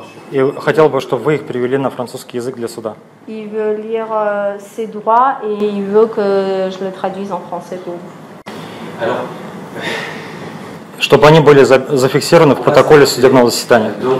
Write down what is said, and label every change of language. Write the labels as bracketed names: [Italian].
[Russian] И хотел бы, чтобы вы их привели на французский язык для суда. [French] Il veut lire ses droits et il veut que je le traduise en français pour vous. [Russian] Чтобы они были зафиксированы в протоколе судебного заседания.